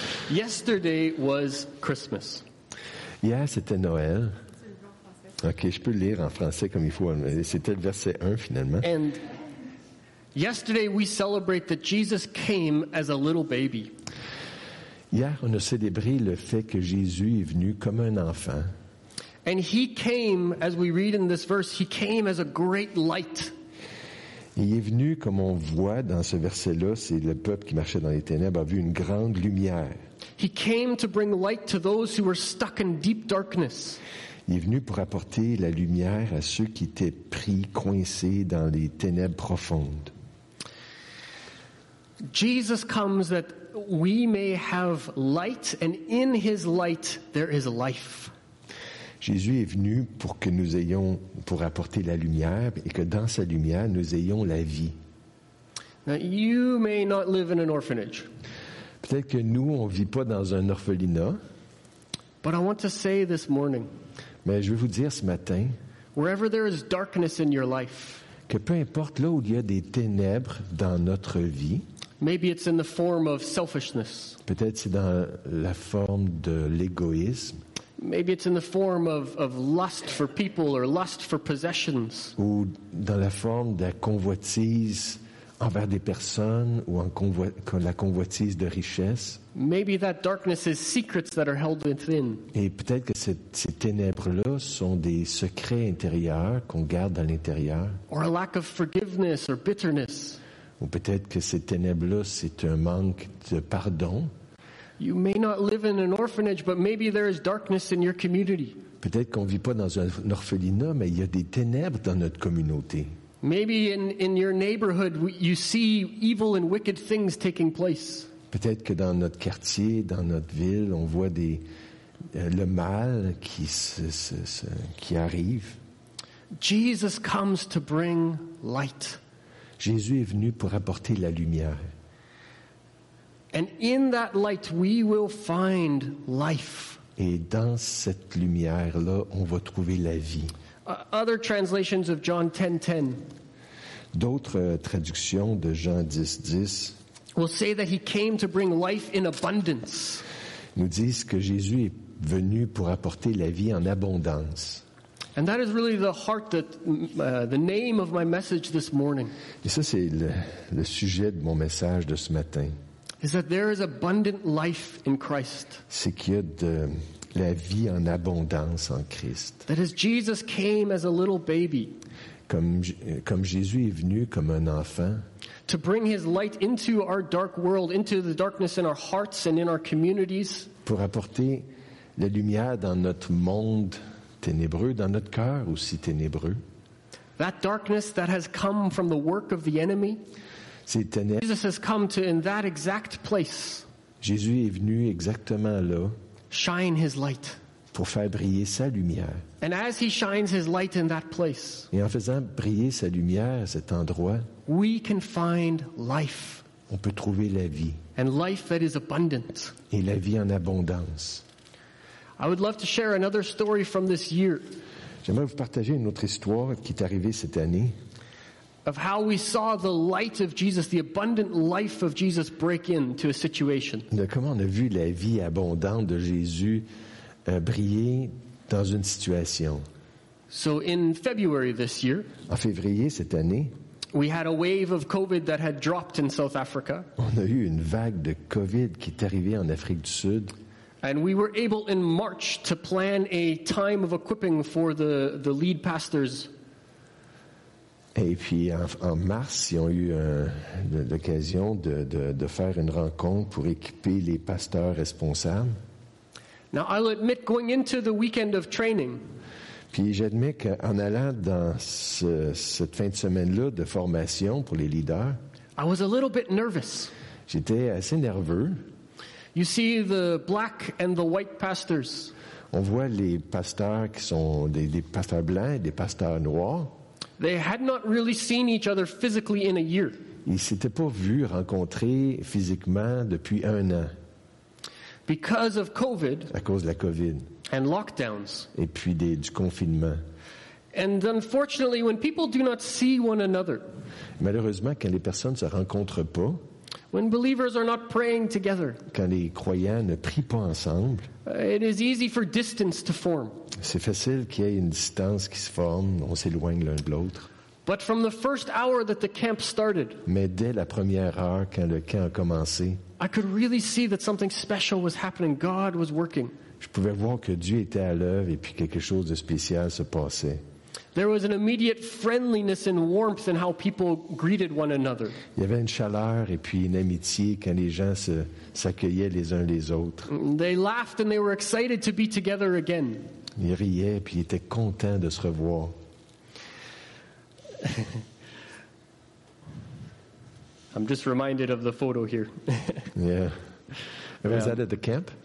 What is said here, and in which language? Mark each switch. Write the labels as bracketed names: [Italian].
[English] Yesterday was Christmas. [French] Hier, c'était Noël. OK, je peux lire en français comme il faut. C'était le verset 1, finalement. [English] And yesterday, we celebrate that Jesus came as a little baby. [French] Hier, on a célébré le fait que Jésus est venu comme un enfant. [English] And he came, as we read in this verse, he came as a great light. [French] Il est venu, comme on voit dans ce verset-là, c'est le peuple qui marchait dans les ténèbres, a vu une grande lumière. [English] He came to bring light to those who were stuck in deep darkness. [French] Il est venu pour apporter la lumière à ceux qui étaient pris, coincés dans les ténèbres profondes. [English] Jesus comes that we may have light, and in his light there is life. [French] Jésus est venu pour que nous ayons, pour apporter la lumière, et que dans sa lumière, nous ayons la vie. [English] Now, you may not live in an orphanage. [French] Peut-être que nous, on ne vit pas dans un orphelinat. [English] But I want to say this morning, [French] mais je veux vous dire ce matin, [English] wherever there is darkness in your life, [French] que peu importe là où il y a des ténèbres dans notre vie, [English] maybe it's in the form of selfishness. [French] Peut-être c'est dans la forme de l'égoïsme. [English] Maybe it's in the form of lust for people or lust for possessions. [French] Ou dans la forme de la convoitise envers des personnes ou la convoitise de richesses. [English] Maybe that darkness is secrets that are held within. [French] Et peut-être que ces ténèbres-là sont des secrets intérieurs qu'on garde à l'intérieur. [English] Or a lack of forgiveness or bitterness. [French] Ou peut-être que ces ténèbres-là, c'est un manque de pardon. [English] You may not live in an orphanage, but maybe there is darkness in your community. [French] Peut-être qu'on vit pas dans un orphelinat, mais il y a des ténèbres dans notre communauté. [English] Maybe in your neighborhood you see evil and wicked things taking place. [French] Peut-être que dans notre quartier, dans notre ville, on voit le mal qui arrive. [English] Jesus comes to bring light. [French] Jésus est venu pour apporter la lumière. [English] And in that light we will find life. [French] Et dans cette lumière là, on va trouver la vie. [English] Other translations of John 10:10. [French] D'autres traductions de Jean 10:10. [English] Will say that he came to bring life in abundance. [French] Nous disent que Jésus est venu pour apporter la vie en abondance. [English] And that is really the heart that the name of my message this morning. [French] Et ça c'est le sujet de mon message de ce matin. [English] Is that there is abundant life in Christ. [French] C'est qu'il y a de la vie en abondance en Christ. [English] That as Jesus came as a little baby. [French] Comme Jésus est venu comme un enfant. [English] To bring his light into our dark world, into the darkness in our hearts and in our communities. [French] Pour apporter la lumière dans notre monde ténébreux, dans notre cœur aussi ténébreux. [English] That darkness that has come from the work of the enemy. Jesus has come to in that exact place. [French] Jésus est venu exactement là. [English] Shine his light. [French] Pour faire briller sa lumière. [English] And as he shines his light in that place. [French] Et en faisant briller sa lumière à cet endroit. [English] We can find life. [French] On peut trouver la vie. [English] And life that is abundant. [French] Et la vie en abondance. [English] I would love to share another story from this year. [French] J'aimerais vous partager une autre histoire qui est arrivée cette année. [English] Of how we saw the light of Jesus, the abundant life of Jesus break into a situation. [French] De comment on a vu la vie abondante de Jésus briller dans une situation. [English] So in February this year, [French] en février cette année, [English] we had a wave of COVID that had dropped in South Africa. [French] On a eu une vague de COVID qui est arrivée en Afrique du Sud. [English] And we were able in March to plan a time of equipping for the lead pastors. [French] Et puis en mars, ils ont eu l'occasion de faire une rencontre pour équiper les pasteurs responsables. [English] Now, I'll admit, going into the weekend of training, [French] puis j'admets qu'en allant dans cette fin de semaine-là de formation pour les leaders, [English] I was a little bit nervous. [French] J'étais assez nerveux. [English] You see the black and the white pastors. [French] On voit les pasteurs qui sont des pasteurs blancs et des pasteurs noirs. [English] They had not really seen each other physically in a year. [French] Ils s'étaient pas vus rencontrer physiquement depuis un an. [English] Because of COVID. [French] À cause de la COVID. [English] And lockdowns. [French] Et puis du confinement. [English] And unfortunately, when people do not see one another. [French] Malheureusement, quand les personnes se rencontrent pas. [English] When believers are not praying together. [French] Quand les croyants ne prient pas ensemble. [English] It is easy for distance to form. [French] C'est facile qu'il y ait une distance qui se forme, on s'éloigne l'un de l'autre. [English] But from the first hour that the camp started. [French] Mais dès la première heure quand le camp a commencé. [English] I could really see that something special was happening. God was working. [French] Je pouvais voir que Dieu était à l'œuvre et puis quelque chose de spécial se passait. [English] There was an immediate friendliness and warmth in how people greeted one another. [French] Il y avait une chaleur et puis une amitié quand les gens s'accueillaient les uns les autres. [English] They laughed and they were excited to be together again. [French] Ils riaient et puis ils étaient contents de se revoir. [English] I'm just reminded of the photo here. Yeah. Was that at the camp?